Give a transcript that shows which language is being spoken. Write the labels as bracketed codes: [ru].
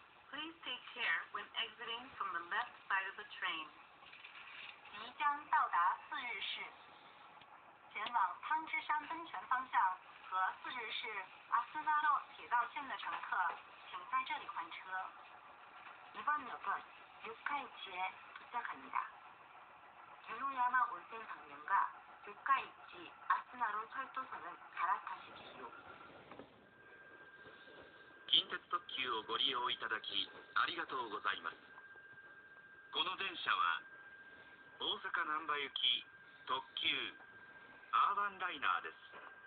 [en] Please take care when exiting from the left side of the train. [zh] 即将到达四日市，前往汤之山温泉方向和四日市 Asunaro 铁道线的乘客，请在这里换车。 [ko] 이번역은육카이치에도착합니다유노야마온센방면과육카이치아스나로철도선은갈아타십시오 [ja] 긴택특急をご利用いただきありがとうございます。この電車は大阪難波行き特急アーバンライナーです。